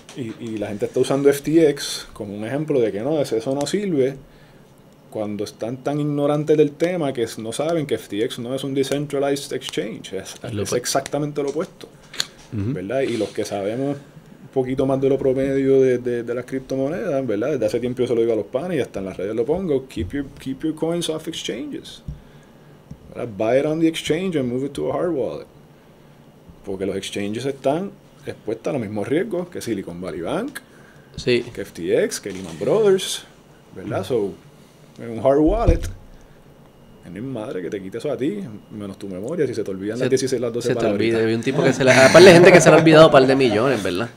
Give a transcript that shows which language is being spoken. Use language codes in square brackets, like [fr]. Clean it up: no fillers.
[es] Y la gente está usando FTX como un ejemplo de que no, eso no sirve, cuando están tan ignorantes del tema que no saben que FTX no es un decentralized exchange. Es exactamente lo opuesto. ¿Verdad? Y los que sabemos un poquito más de lo promedio de las criptomonedas, ¿verdad? Desde hace tiempo yo se lo digo a los panes y hasta en las redes lo pongo. [en] Keep your coins off exchanges. ¿Verdad? Buy it on the exchange and move it to a hard wallet. [es] Porque los exchanges están expuesta a los mismos riesgos que Silicon Valley Bank, sí, que FTX, que Lehman Brothers, ¿verdad? So, en un hard wallet, en mi madre que te quite eso a ti, menos tu memoria, si se te olvidan las 16, las 12 palabritas. Se te olvida, hay un tipo que se le ha... Aparte de gente que se le ha olvidado un par de millones, ¿verdad?